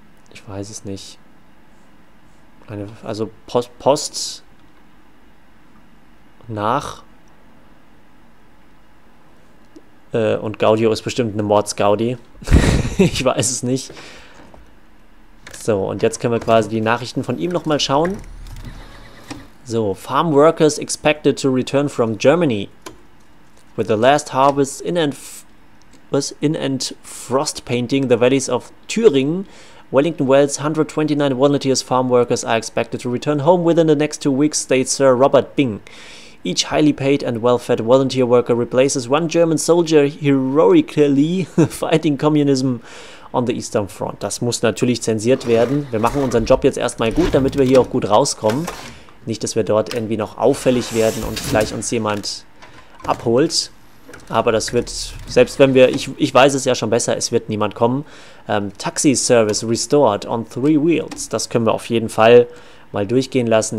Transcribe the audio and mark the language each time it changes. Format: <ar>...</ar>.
<de>Ich weiß es nicht. Eine, also Post nach und Gaudio ist bestimmt eine Mordsgaudi. Ich weiß es nicht. So, und jetzt können wir quasi die Nachrichten von ihm nochmal schauen.</de> <en>So, farm workers expected to return from Germany with the last harvest in and frost painting the valleys of Thüringen. Wellington Wells 129 volunteers farm workers are expected to return home within the next 2 weeks, states Sir Robert Bing. Each highly paid and well-fed volunteer worker replaces one German soldier heroically fighting communism on the Eastern Front.</en> <de>Das muss natürlich zensiert werden. Wir machen unseren Job jetzt erstmal gut, damit wir hier auch gut rauskommen. Nicht, dass wir dort irgendwie noch auffällig werden und gleich uns jemand abholt. Aber das wird, selbst wenn wir, ich weiß es ja schon besser, es wird niemand kommen.</de> <en>Taxi Service restored on 3 wheels.</en> <de>Das können wir auf jeden Fall mal durchgehen lassen.</de>